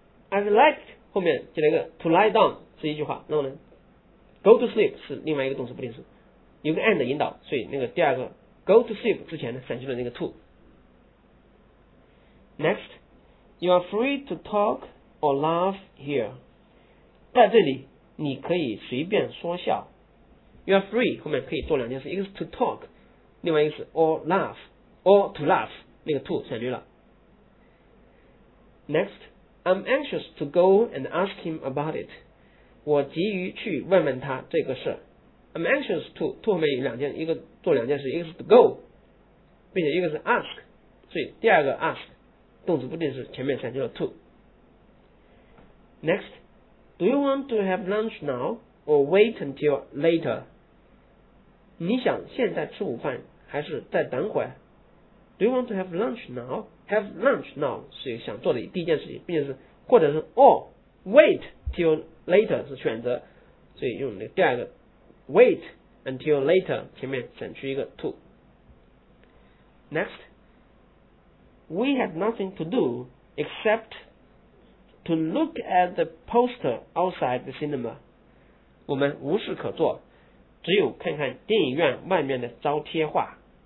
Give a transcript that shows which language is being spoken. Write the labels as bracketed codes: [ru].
[en] I'd like [zh] 后面接了一个 [en] to lie down [zh] 是一句话，那么呢 [en] go to sleep [zh] 是另外一个动词不定式，有个 and 引导，所以那个第二个 go to sleep 之前呢省去了那个 to。 [en] Next, you are free to talk or laugh here. [zh] 在这里你可以随便说笑。 [en] You are free [zh] 后面可以做两件事，一个是 [en] to talk， [zh] 另外一个是 [en] or laugh， or to laugh [zh] 那个 to 省略了。 [en] NextI'm anxious to go and ask him about it. [zh] 我急于去问问他这个事。 [en] I'm anxious to [zh] 后面有两件，一个做两件事，一个是 [en] to go， [zh] 并且一个是 ask， 所以第二个 ask 动词不定式前面省去了 to。 [en] Next, do you want to have lunch now or wait until later? [zh] 你想现在吃午饭还是再等会？ [en] Do you want to have lunch now? Have lunch now [zh] 是想做的第一件事情，并且是或者是 [en] or wait till later [zh] 是选择，所以用那个第二个 [en] wait until later [zh] 前面省去一个 to。 [en] Next, we had nothing to do except to look at the poster outside the cinema. [zh] 我们无事可做，只有看看电影院外面的招贴画。